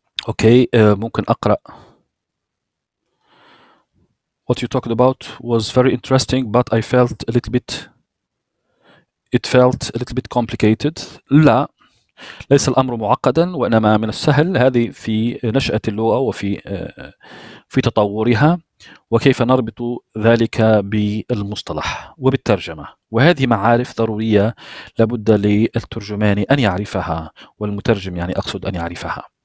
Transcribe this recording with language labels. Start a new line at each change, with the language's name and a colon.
Arabic: Okay, ممكن أقرأ.
English: What you talked about was very interesting, but I felt a little bit, it felt a little bit complicated.
Arabic: لا, ليس الأمر معقدا وإنما من السهل. هذه في نشأة اللغة وفي في تطورها وكيف نربط ذلك بالمصطلح وبالترجمة. وهذه معارف ضرورية لابد للترجمان أن يعرفها والمترجم يعني أقصد أن يعرفها.